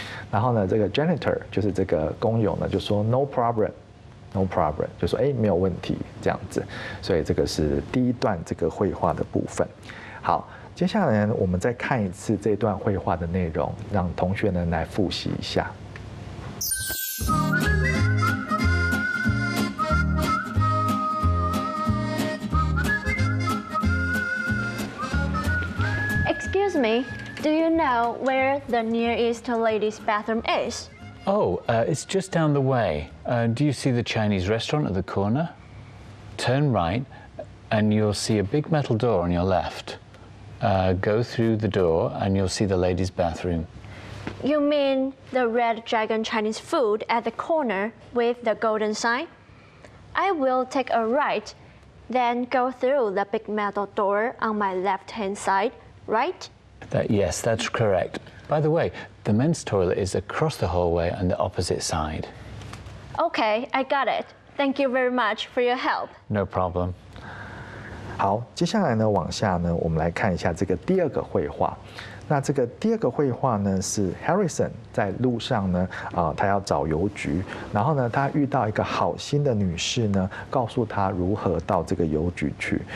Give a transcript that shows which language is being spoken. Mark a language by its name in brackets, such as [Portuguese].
[Chinese] 然后呢，这个 janitor 就是这个工友呢，就说 [English] No problem。 No problem， [Chinese] 就说哎没有问题这样子，所以这个是第一段这个绘画的部分。好，接下来我们再看一次这段绘画的内容，让同学呢来复习一下。 [English] Excuse me, do you know where the nearest ladies' bathroom is? It's just down the way. Do you see the Chinese restaurant at the corner? Turn right, and you'll see a big metal door on your left. Go through the door, and you'll see the ladies' bathroom. You mean the Red Dragon Chinese food at the corner with the golden sign? I will take a right, then go through the big metal door on my left-hand side. Right? Yes, that's correct. By the way, the men's toilet is across the hallway on the opposite side. Okay, I got it. Thank you very much for your help. No problem. [Chinese] 好，接下来呢，往下呢，我们来看一下这个第二个绘画。那这个第二个绘画呢，是 Harrison 在路上呢，他要找邮局，然后呢，他遇到一个好心的女士呢，告诉他如何到这个邮局去。